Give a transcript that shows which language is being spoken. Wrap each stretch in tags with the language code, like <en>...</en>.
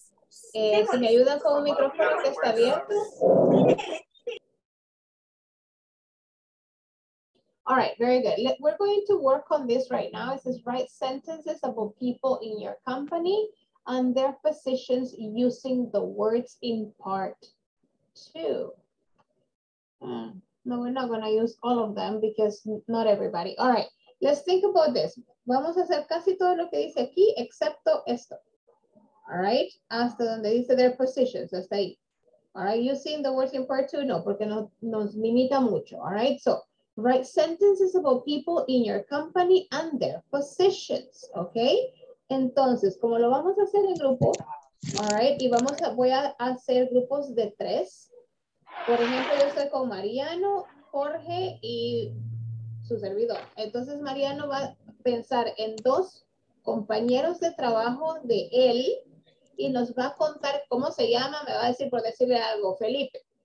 <es>Si me ayudan con un micrófono que está abierto.</es> <en>All right, very good. We're going to work on this right now. It says write sentences about people in your company and their positions using the words in part two. No, we're not going to use all of them because not everybody. All right, let's think about this.</en> <es>Vamos a hacer casi todo lo que dice aquí, excepto esto.</es> <en>All right,</en> <es>hasta donde dice their positions, hasta ahí.</es> <en>All right, using the words in part two?</en> <es>No, porque no, nos limita mucho.</es> <en>All right, so. Write sentences about people in your company and their positions, okay?</en> <es>Entonces, como lo vamos a hacer en grupo,</es> <en>all right,</en> <es>y vamos a, voy a hacer grupos de tres. Por ejemplo, yo estoy con Mariano, Jorge y su servidor. Entonces, Mariano va a pensar en dos compañeros de trabajo de él y nos va a contar cómo se llama, me va a decir por decirle algo, Felipe.</es>